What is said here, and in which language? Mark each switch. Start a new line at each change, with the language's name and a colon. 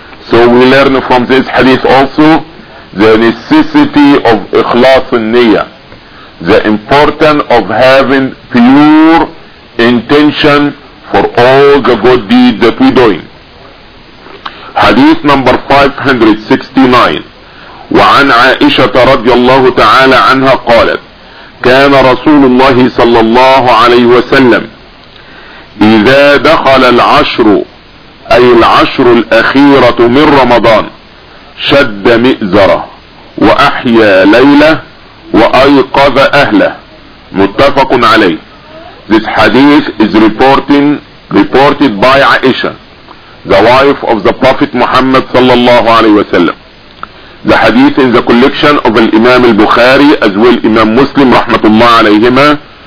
English: So we learn from this hadith also the necessity of ikhlas in niyyah, the importance of having pure intention for all the good deeds that we're doing. Hadith number 569.
Arabic: وعن عائشة رضي الله تعالى عنها قالت كان رسول الله صلى الله عليه وسلم إذا دخل العشر أي العشر الأخيرة من رمضان شد مئزرة وأحيا ليلة وأيقظ أهله. متفق عليه.
English: This hadith is reported by Aisha the wife of the Prophet Muhammad
Arabic: sallallahu alayhi wa sallam.
English: The hadith in the collection of Imam al-Bukhari as well Imam Muslim
Arabic: rahmatullah alayhima.